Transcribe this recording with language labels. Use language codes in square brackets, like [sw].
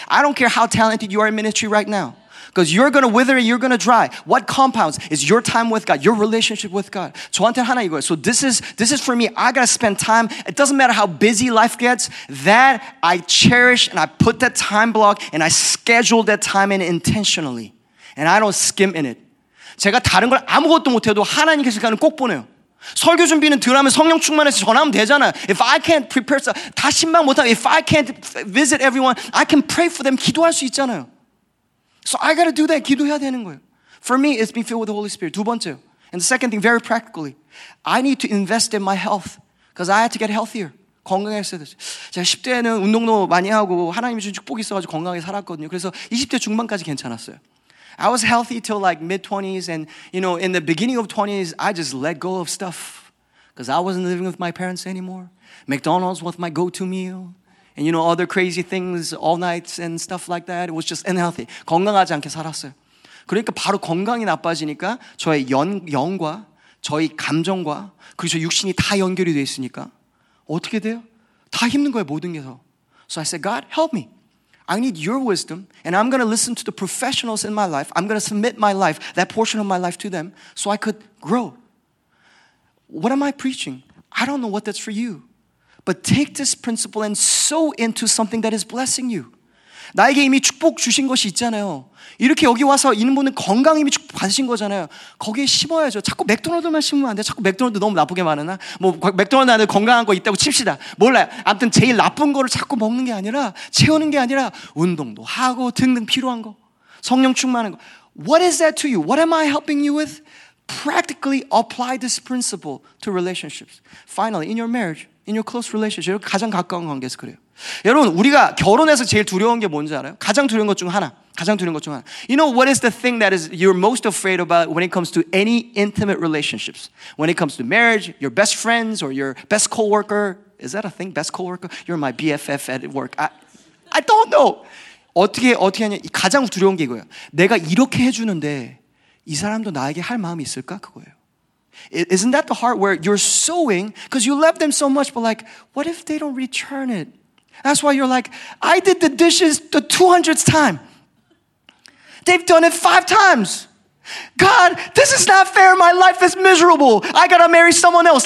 [en] I don't care how talented you are in ministry right now. Because you're going to wither and you're going to dry. What compounds is your time with God, your relationship with God. [ko] 저한테 하나 이거예요. [en] So this is for me. I got to spend time. It doesn't matter how busy life gets. That I cherish and I put that time block and I schedule that time in intentionally. And I don't skim in it. [ko] 제가 다른 걸 아무것도 못해도 하나님께 시간을 꼭 보내요. 설교 준비는 드라마 성령 충만해서 전하면 되잖아요. [en] If I can't prepare, [ko] 다 신방 못하고 [en] if I can't visit everyone, I can pray for them, [ko] 기도할 수 있잖아요. [en] So I gotta do that. [ko] 기도해야 되는 거예요. [en] For me, it's being filled with the Holy Spirit. [ko] 두 번째. [en] And the second thing, very practically, I need to invest in my health because I had to get healthier. [ko] 건강했어야 되죠. 제가 10대에는 운동도 많이 하고 하나님이 준 축복이 있어가지고 건강하게 살았거든요. 그래서 20대 중반까지 괜찮았어요. [en] I was healthy till like mid-20s and, you know, in the beginning of 20s, I just let go of stuff because I wasn't living with my parents anymore. McDonald's was my go-to meal. And you know, other crazy things, all nights and stuff like that. It was just unhealthy. [ko] 건강하지 않게 살았어요. 그러니까 바로 건강이 나빠지니까 저의 영과 저희 감정과 그리고 저 육신이 다 연결이 돼 있으니까 어떻게 돼요? 다 힘든 거예요, 모든 게 더. [en] So I said, God, help me. I need your wisdom and I'm going to listen to the professionals in my life. I'm going to submit my life, that portion of my life to them so I could grow. What am I preaching? I don't know what that's for you. But take this principle and sow into something that is blessing you. [ko] 나에게 이미 축복 주신 것이 있잖아요. 이렇게 여기 와서 있는 분은 건강 이미 축복 받으신 거잖아요. 거기에 심어야죠. 자꾸 맥도날드만 심으면 안 돼. 자꾸 맥도날드 너무 나쁘게 말하나? 뭐 맥도날드 안에 건강한 거 있다고 칩시다. 몰라요. 아무튼 제일 나쁜 거를 자꾸 먹는 게 아니라 채우는 게 아니라 운동도 하고 등등 필요한 거. 성령 충만한 거. [en] What is that to you? What am I helping you with? Practically apply this principle to relationships. Finally, in your marriage, in your close relationship, [ko] 여러분, 가장 가까운 관계에서 그래요. 여러분, 우리가 결혼해서 제일 두려운 게 뭔지 알아요? 가장 두려운 것 중 하나. 가장 두려운 것 중 하나. [en] You know what is the thing that is you're most afraid about when it comes to any intimate relationships? When it comes to marriage, your best friends or your best coworker. Is that a thing? Best coworker? You're my BFF at work. I don't know. [ko] 어떻게 하냐? 가장 두려운 게 이거예요. 내가 이렇게 해 주는데 이 사람도 나에게 할 마음이 있을까? 그거예요. [en] Isn't that the heart where you're sowing because you love them so much but like what if they don't return it? That's why you're like I did the dishes the 200th time. They've done it 5 times. God, this is not fair. My life is miserable. I gotta marry someone else.